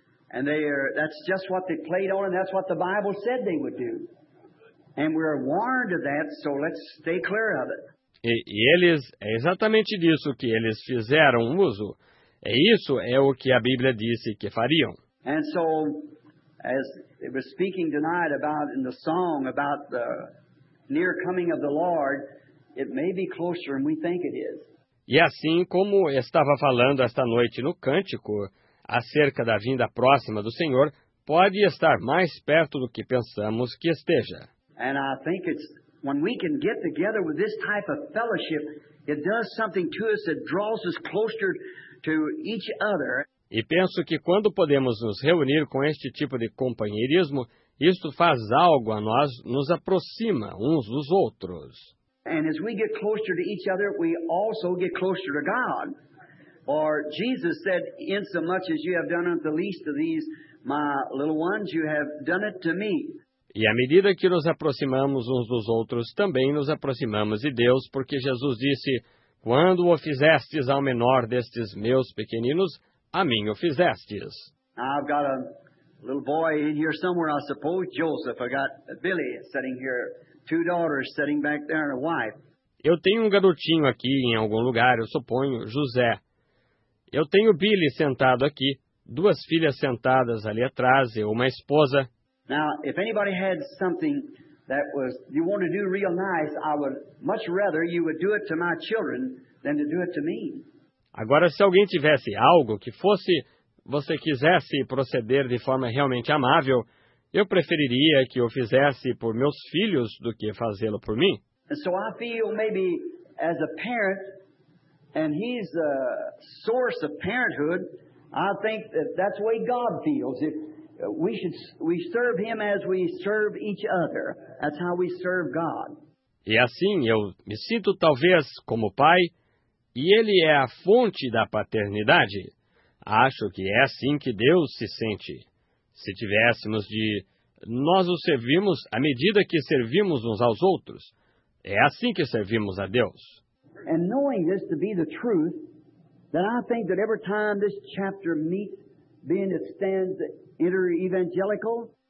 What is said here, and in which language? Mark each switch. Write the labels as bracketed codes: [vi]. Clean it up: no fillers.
[en] That's just what they played on, and that's what the Bible said they would do. And we're warned of that, so let's stay clear of it. [pt] E eles, é exatamente disso que eles fizeram uso. E isso é o que a Bíblia disse que fariam. [en] And so, as it was speaking tonight about in the song about the near coming of the Lord, it may be closer than we think it is. [pt] E assim como estava falando esta noite no cântico acerca da vinda próxima do Senhor, pode estar mais perto do que pensamos que esteja. [en] And I think it's when we can get together with this type of fellowship, it does something to us that draws us closer to each other. [pt] E penso que quando podemos nos reunir com este tipo de companheirismo, isto faz algo a nós, nos aproxima uns dos outros. [en] And as we get closer to each other, we also get closer to God. Or Jesus said, in so much as you have done unto the least of these my little ones, you have done it to me. [pt] E à medida que nos aproximamos uns dos outros, também nos aproximamos de Deus, porque Jesus disse, quando o fizestes ao menor destes meus pequeninos, a mim o fizestes. [en] I've got a little boy in here somewhere, I suppose, Joseph. I got Billy sitting here, two daughters sitting back there and a wife. [pt] Eu tenho um garotinho aqui em algum lugar, eu suponho, José. Eu tenho Billy sentado aqui, duas filhas sentadas ali atrás e uma esposa. [en] Now, if anybody had something that was you want to do real nice, I would much rather you would do it to my children than to do it to me. [pt] Agora, se alguém tivesse algo que fosse, você quisesse proceder de forma realmente amável, eu preferiria que eu fizesse por meus filhos do que fazê-lo por mim. [en] And so I feel maybe as a parent, and he's the source of parenthood, I think that that's the way God feels. If we serve him as we serve each other, that's how we serve God. [pt] E assim, eu me sinto talvez como pai, e ele é a fonte da paternidade. Acho que é assim que Deus se sente. Se tivéssemos de nós o servimos à medida que servimos uns aos outros, é assim que servimos a Deus. [en] And knowing this to be the truth, then I think that every time this chapter meets, being it stands inter-evangelical.